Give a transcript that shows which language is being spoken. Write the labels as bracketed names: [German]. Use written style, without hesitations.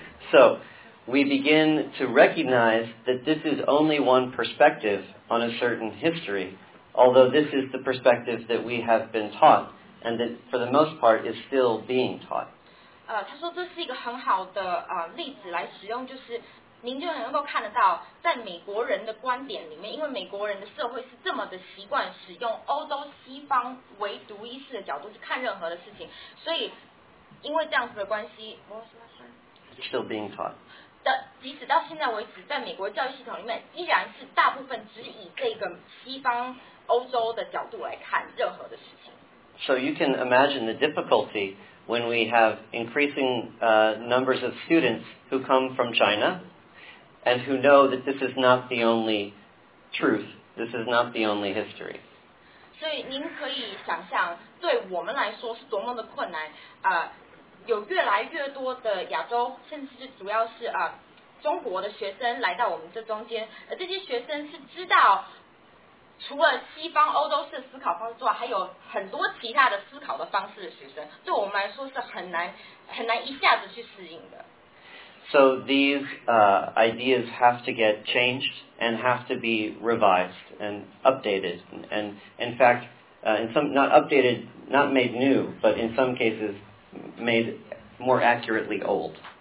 [English] So we begin to recognize that this is only one perspective on a certain history, although this is the perspective that we have been taught and that for the most part is still being taught. [Chinese] 他说这是一个很好的例子来使用，就是您就能够看得到在美国人的观点里面，因为美国人的社会是这么的习惯使用欧洲西方唯独一式的角度去看任何的事情，所以因为这样子的关系 [English] ，It's still being taught. [Chinese] 即使到现在为止，在美国教育系统里面，依然是大部分只以这个西方欧洲的角度来看任何的事情。 [English] So you can imagine the difficulty when we have increasing numbers of students who come from China, and who know that this is not the only truth. This is not the only history. [Chinese] 所以您可以想象，对我们来说是多么的困难有越来越多的亚洲，甚至是主要是中国的学生来到我们这中间，而这些学生是知道除了西方欧洲式思考方式之外，还有很多其他的思考的方式的学生，对我们来说是很难一下子去适应的。 [English] So these ideas have to get changed and have to be revised and updated. And in fact, in some not updated, not made new, but in some cases made more accurately old.